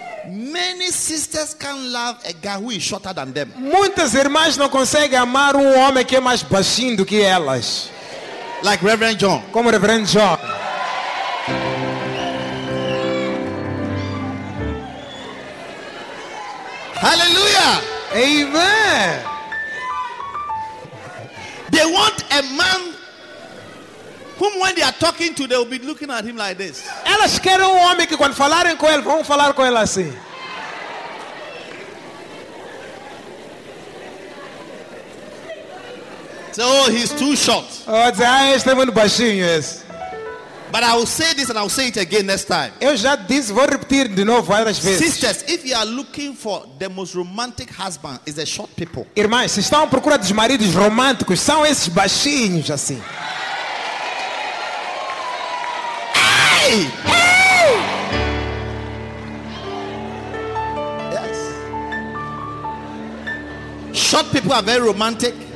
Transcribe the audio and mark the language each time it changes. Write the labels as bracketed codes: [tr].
[en] Many sisters can love a guy who is shorter than them. [pt] Muitas irmãs não conseguem amar homem que é mais baixinho do que elas. [en] Like Reverend John. [pt] Como Reverend John. [en] Hallelujah. [pt] Amen. [en] They want a man whom when they are talking to, they will be looking at him like this. [pt] Elas querem homem que quando falarem com ele, vão falar com ele assim. [en] So he's too short. Oh, it's a [pt] muito baixinho, [en] yes. But I will say this and I will say it again next time. [pt] Eu já disse, vou repetir de novo várias vezes. [en] Sisters, if you are looking for the most romantic husband, is the short people. [pt] Irmãs, se estão à procura dos maridos românticos, são esses baixinhos assim. Ai! [en] Yes. Short people are very romantic.